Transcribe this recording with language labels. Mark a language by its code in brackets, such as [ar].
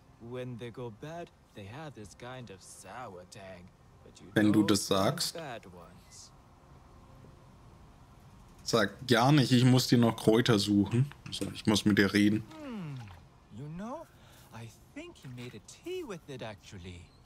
[en] When they go bad, they have this kind of sour tang. [de] Wenn du das sagst. Sag gar nicht, ich muss dir noch Kräuter suchen. So, ich muss mit dir reden. [en] You know, I think he made a tea with it actually.